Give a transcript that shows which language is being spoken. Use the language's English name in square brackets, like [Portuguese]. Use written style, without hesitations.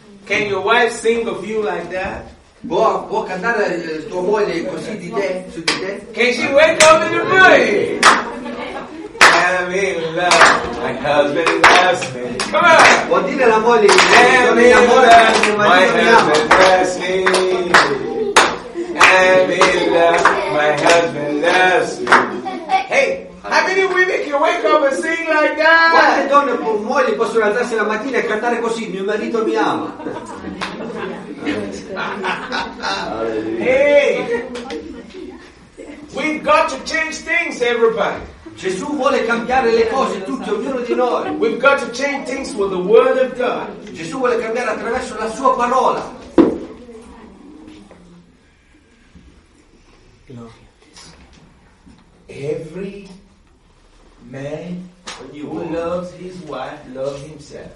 [English] Can your wife sing of you like that? [Italian] Può cantare tua moglie così di te, su di te? [English] Can she wake up in the morning? I'm in love, my husband loves me. Come on! [Italian] Può dire la moglie, [English] I'm in love, my husband loves me. I'm in love, my husband loves me. Hey! How many women can wake up and sing like that? [Italian] Quante donne o mogli possono alzarsi la mattina e cantare così? Mio marito mi ama. [English] Hey, we've got to change things, everybody. [Italian] Gesù vuole cambiare le cose, tutti, ognuno di noi. [English] We've got to change things with the Word of God. [Italian] Gesù vuole cambiare attraverso la Sua parola. [English] Every man who loves his wife loves himself.